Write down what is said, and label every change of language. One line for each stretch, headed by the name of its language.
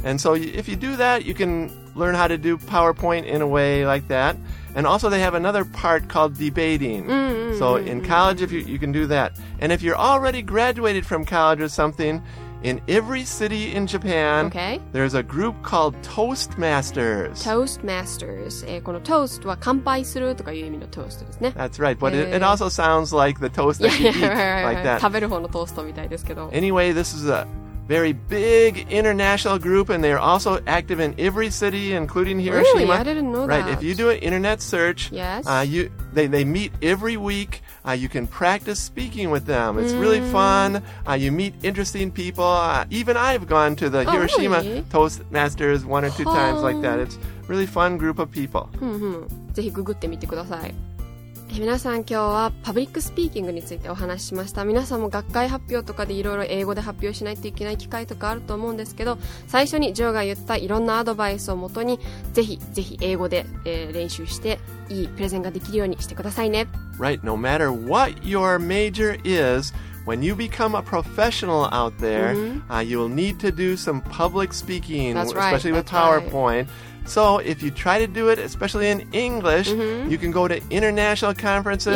English: And so if you do that, you can learn how to do PowerPoint in a way like that. And also they have another part called debating. So in college, if you can do that. And if you're already graduated from college or something, in every city in Japan, okay. There's a group called Toastmasters. Toastmasters.
Japanese: この toast は乾杯するとかいう意味の toast ですね。
English: That's right. But it also sounds like the toast that you eat like that.
Japanese: 食べる方のトーストみたいですけど。
English: Anyway, this is a very big international group, and they're also active in every city, including Hiroshima. Really? I didn't know that. Right, if you do an internet search, they meet every week. You can practice speaking with them. It's really fun. You meet interesting people. Even I've gone to the Hiroshima Toastmasters one or two times like that. It's a really fun group of people.
Japanese: ぜひググってみてください。皆さん今日はパブリックスピーキングについてお話ししました。皆さんも学会発表とかでいろいろ英語で発表しないといけない機会とかあると思うんですけど、最初にジョーが言ったいろんなアドバイスをもとにぜひぜひ英語で、練習していいプレゼンができるようにしてくださいね。
English: Right, no matter what your major is, when you become a professional out there, you'll need to do some public speaking, that's right, especially with PowerPoint. Right. So if you try to do it, especially in English, mm-hmm. you can go to international conferences、